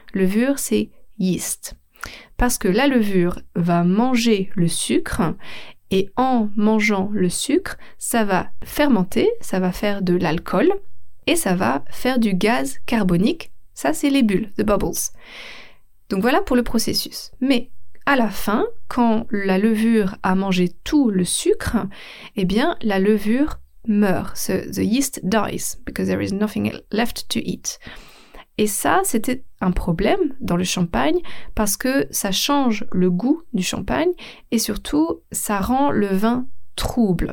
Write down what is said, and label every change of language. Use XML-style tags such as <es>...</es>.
<fr>Levure, c'est yeast. Parce que la levure va manger le sucre, et en mangeant le sucre, ça va fermenter, ça va faire de l'alcool, et ça va faire du gaz carbonique. Ça, c'est les bulles,</fr> <en>the bubbles.</en> <fr>Donc voilà pour le processus. Mais à la fin, quand la levure a mangé tout le sucre, eh bien, la levure meurt.</fr> <en>So the yeast dies because there is nothing left to eat.</en> <fr>Et ça, c'était un problème dans le champagne parce que ça change le goût du champagne et surtout, ça rend le vin trouble.</fr>